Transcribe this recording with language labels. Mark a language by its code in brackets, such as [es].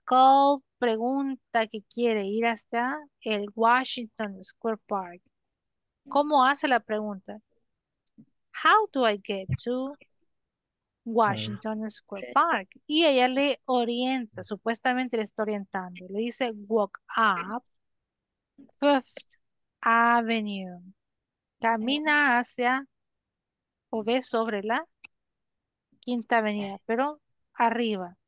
[es] Cole pregunta que quiere ir hasta el Washington Square Park. ¿Cómo hace la pregunta? [en] How do I get to Washington Square Park? [es] Y ella le orienta, supuestamente le está orientando. Le dice, [en] walk up Fifth Avenue. [es] Camina hacia o ve sobre la Quinta Avenida, pero arriba.